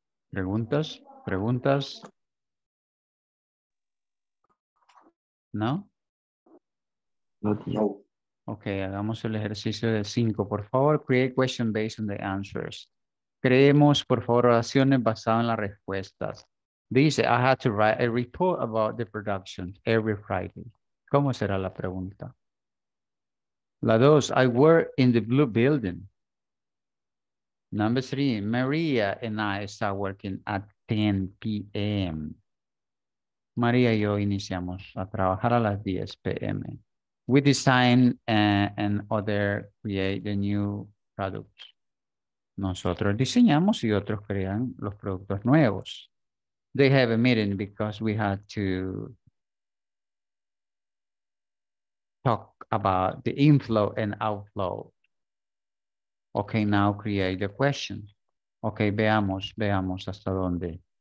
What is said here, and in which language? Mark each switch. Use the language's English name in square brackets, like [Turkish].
[Spanish] Preguntas? Preguntas? No? No. Okay, hagamos el ejercicio de 5, por favor. [English] Create question based on the answers. [Spanish] Creemos, por favor, oraciones basadas en las respuestas. [English] Dice, I have to write a report about the production every Friday. [Spanish] ¿Cómo será la pregunta? La 2, [English] I work in the blue building. Number 3, Maria and I start working at 10 p.m. [Spanish] María y yo iniciamos a trabajar a las 10 p.m. [English] We design and other create the new products. [Spanish] Nosotros diseñamos y otros crean los productos nuevos. [English] They have a meeting because we had to talk about the inflow and outflow. Okay, now create the question. Okay, [Spanish] veamos hasta dónde.